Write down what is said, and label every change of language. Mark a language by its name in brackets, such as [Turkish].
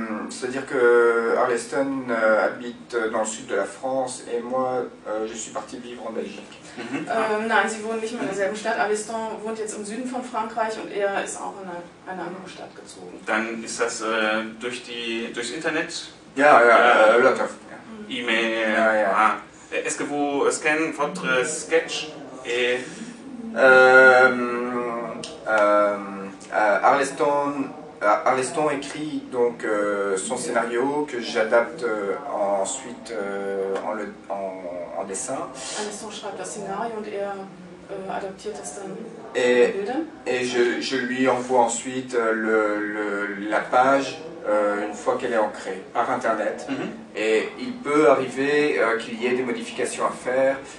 [French] C'est-à-dire que Arleston habite dans le sud de la France et moi, je suis parti vivre en Belgique. Mm-hmm. [German] Nein, sie wohnen nicht mehr in derselben Stadt. Arleston wohnt jetzt im Süden von Frankreich und er ist auch in eine andere Stadt gezogen. Dann ist das durchs Internet. Ja, ja, lot of. Ja. E-Mail. Ja, ja. Ah, [French] est-ce que vous scannez votre sketch et... Arleston écrit donc son scénario que j'adapte ensuite en dessin. [German] Arleston schreibt das Szenario und er adaptiert es dann. [French] Et je lui envoie ensuite la page une fois qu'elle est ancrée par internet. Mm-hmm. Et il peut arriver qu'il y ait des modifications à faire.